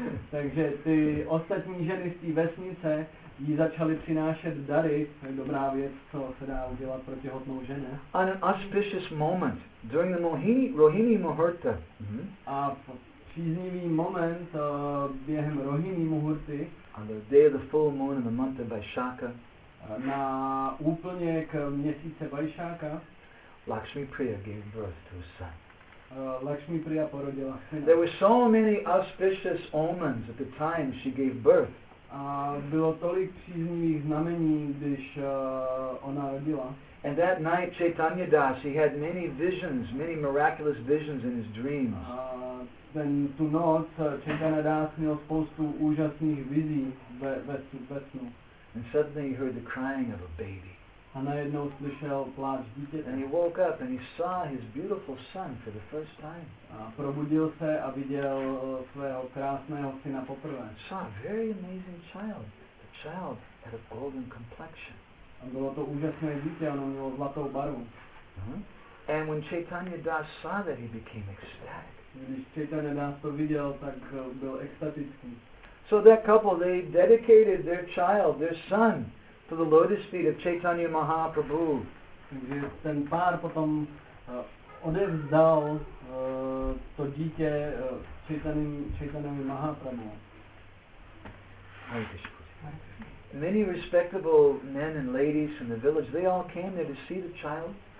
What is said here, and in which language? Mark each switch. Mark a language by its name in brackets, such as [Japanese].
[Czech] Takže ty ostatní ženy z té vesnice jí začaly přinášet dary, to je dobrá věc, co se dá udělat pro těhotnou ženu. [English] On an auspicious moment, during the Rohini Muhurta. [Czech] A v příznivý moment během Rohini Muhurty. [English] On the day of the full moon in the month of Vaishaka. [Czech] Na úplněk měsíce Vaishaka. [English] Lakshmi Priya gave birth to a son. [Czech] Lakshmi Priya porodila. [English] There were so many auspicious omens at the time she gave birth. [Czech] Bylo tolik příznivých znamení, když ona rodila. [English] And that night Chaitanya Das, he had many visions, many miraculous visions in his dreams. [Czech] Then tu noc Chaitanya Das měl spoustu úžasných vizí ve snu. [English] And suddenly he heard the crying of a baby. [Czech] A najednou slyšel pláč dítěte. [English] And he woke up and he saw his beautiful son for the first time. [Czech] A probudil se a viděl svého krásného syna poprvé. [English] Saw a very amazing child. The child had a golden complexion. [Czech] A bylo to úžasné dítě, ono mělo zlatou barvu. [English] And when Chaitanya Das saw that, he became ecstatic. [Czech] Když Chaitanya Das to viděl, tak byl extatický. [English] So that couple, they dedicated their child, their son, to the lotus feet of Chaitanya Mahaprabhu. [Czech] Takže ten pár potom odevzdal to dítě Chaitanya Mahaprabhu. [English] Many respectable men and ladies from the village, they all came there to see the child.